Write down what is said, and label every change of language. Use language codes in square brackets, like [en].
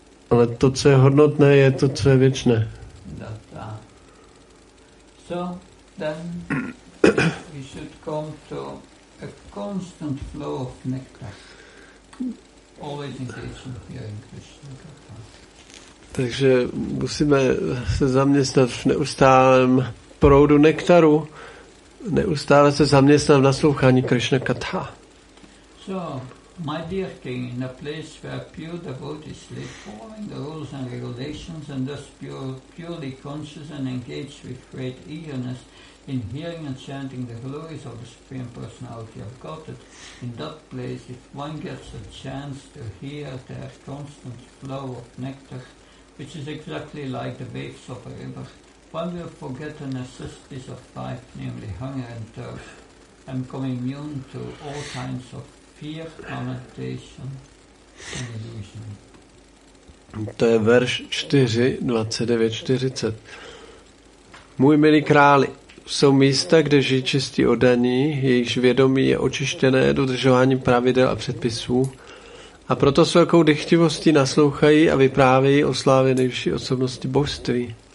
[cs] Ale to, co je hodnotné, je to, co je věčné. [en] So then we should come to a constant flow of nectar. Always engaging here in Krishna. [cs] Takže musíme se zaměstnat v neustálém proudu nektaru, neustále se zaměstnat v naslouchání Krishna katha. [en] So, my dear king, in a place where pure devotees live, following the rules and regulations and thus purely conscious and engaged with great eagerness in hearing and chanting the glories of the Supreme Personality of Godhead, in that place, if one gets a chance to hear their constant flow of nectar, which is exactly like the waves of a river, one will forget the necessities of life, namely hunger and thirst, and become immune to all kinds of fear, lamentation, and illusion. [cs] To je verš 4, 29, 40. Můj milý králi, jsou místa, kde žijí čistí oddaní, jejichž vědomí je očištěné dodržováním pravidel a předpisů, a proto s velkou dychtivostí naslouchají a vyprávějí o slávě nejvyšší osobnosti božství.